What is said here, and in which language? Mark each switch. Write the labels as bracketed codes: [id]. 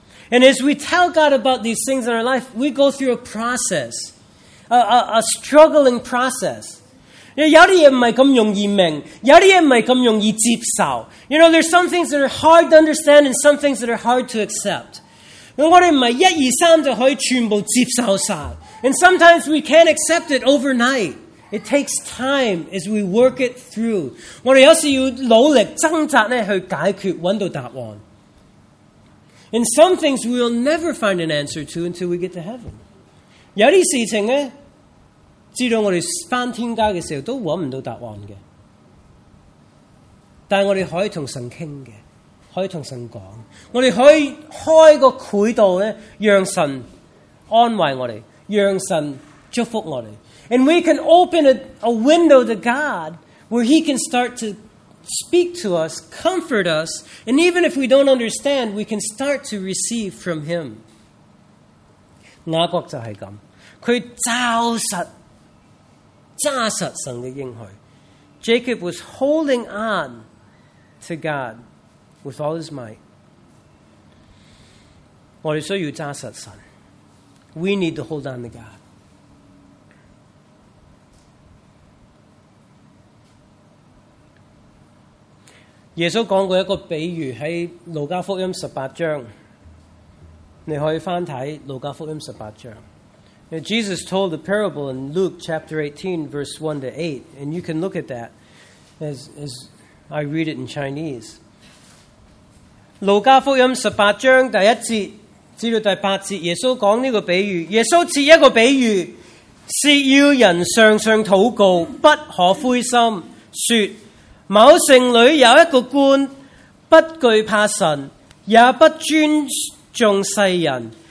[en] And as we tell God about these things in our life, we go through a process, a struggling process. [zh] 有些东西不是那么容易明白，有些东西不是那么容易接受。 [en] You know, there's some things that are hard to understand and some things that are hard to accept. [zh] 我们不是一二三就可以全部接受了。 [en] And sometimes we can't accept it overnight. It takes time as we work it through. [zh] 我们有时要努力挣扎去解决，找到答案。 [en] And some things we will never find an answer to until we get to heaven. [zh] 有些事情呢，直到我们回天家的时候都找不到答案的。但我们可以跟神谈的，可以跟神讲。我们可以开个轨道呢，让神安慰我们，让神祝福我们。 [en] And we can open a window to God where He can start to speak to us, comfort us, and even if we don't understand, we can start to receive from Him. [zh] 雅各就是这样，他抓实，抓实神的应许。 [en] Jacob was holding on to God with all his might. [zh] 我们需要抓实神。 [en] We need to hold on to God. [zh] 耶稣讲过一个比喻，在路加福音十八章，你可以翻睇路加福音十八章。 [en] Now, Jesus told a parable in Luke chapter 18, verse 1 to 8, and you can look at that as I read it in Chinese. [zh] 路加福音十八章第一节至到第八节，耶稣讲这个比喻。耶稣赐一个比喻，是要人常常祷告，不可灰心，说。某城里有一个官，不惧怕神，也不尊重世人。